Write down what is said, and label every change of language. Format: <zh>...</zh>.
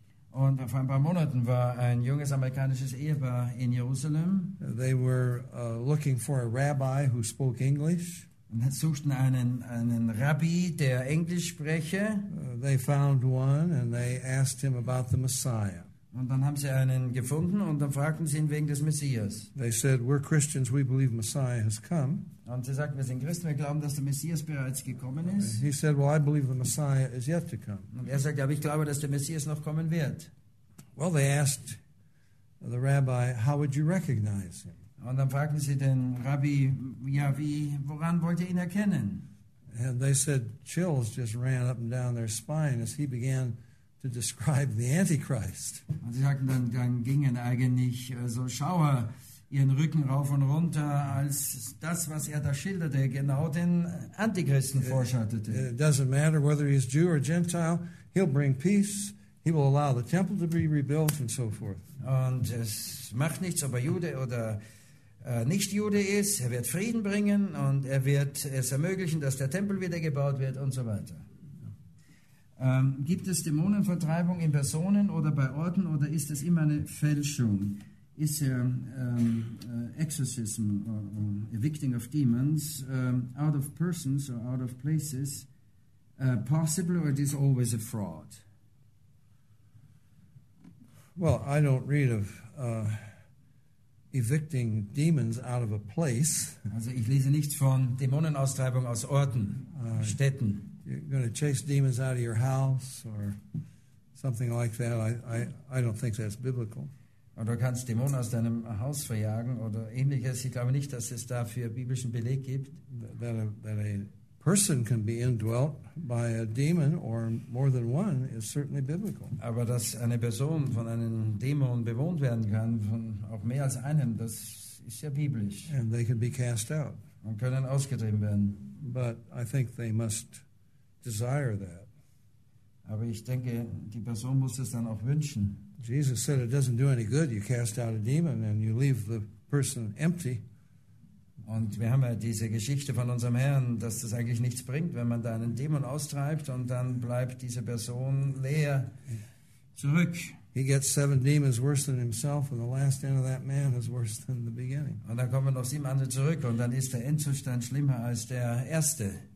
<de>Und vor ein paar Monaten war ein junges amerikanisches Ehepaar in Jerusalem.</de> <en>They were looking for a rabbi who spoke English.</en> <de>Und sie suchten einen Rabbi, der Englisch spreche.</de> <en>They found one and they asked him about the Messiah.</en> <de>Und dann haben sie einen gefunden und dann fragten sie ihn wegen des Messias.</de> <en>They said, we're Christians, we believe Messiah has come.</en> <de>Und sie sagten, wir sind Christen, wir glauben, dass der Messias bereits gekommen ist.</de> <en>He said, well, I believe the Messiah is yet to come.</en> <de>Und er sagte, aber ich glaube, dass der Messias noch kommen wird.</de> <en>Well, they asked the rabbi, how would you recognize him?</en> <de>Und dann fragten sie den Rabbi, ja, woran wollt ihr ihn erkennen?</de> <en>And they said, chills just ran up and down their spine as he began to describe the Antichrist.</en> <de>Und sie sagten, dann gingen eigentlich so Schauer ihren Rücken rauf und runter, als das, was er da schilderte, genau den Antichristen vorschattete.</de> <en>It doesn't matter whether he's Jew or Gentile, he'll bring peace, he will allow the temple to be rebuilt and so forth.</en> <de>Und es macht nichts, ob er Jude oder nicht Jude ist, er wird Frieden bringen und er wird es ermöglichen, dass der Tempel wieder gebaut wird und so weiter. Gibt es Dämonenvertreibung in Personen oder bei Orten oder ist es immer eine Fälschung? Ist ja</de> <en>Exorcism, evicting of demons, out of persons or out of places, possible or it is always a fraud? Well, I don't read of evicting demons out of a place.</en> <de>Also ich lese nichts von Dämonenaustreibung aus Orten, Städten.</de> <en>You're going to chase demons out of your house or something like that. I don't think that's biblical.</en> <de>Oder kannst Dämonen aus deinem Haus verjagen oder ähnliches. Ich glaube nicht, dass es dafür biblischen Beleg gibt.</de> <en>That a person can be indwelt by a demon or more than one is certainly biblical.</en> <de>Aber dass eine Person von einem Dämon bewohnt werden kann, von auch mehr als einem, das ist ja biblisch.</de> <en>And they can be cast out.</en> <de>Und können ausgetrieben werden.</de> <en>But I think they must desire that.</en> <de>Aber ich denke, die Person muss es dann auch wünschen.</de> <en>Jesus said it doesn't do any good. You cast out a demon and you leave the person empty.</en> <de>Und wir haben ja diese Geschichte von unserem Herrn, dass das eigentlich nichts bringt, wenn man da einen Dämon austreibt und dann bleibt diese Person leer zurück.</de> <en>He gets seven demons worse than himself, and the last end of that man is worse than the beginning.</en> <de>Und dann kommen noch sieben andere zurück, und dann ist der Endzustand schlimmer als der erste.</de>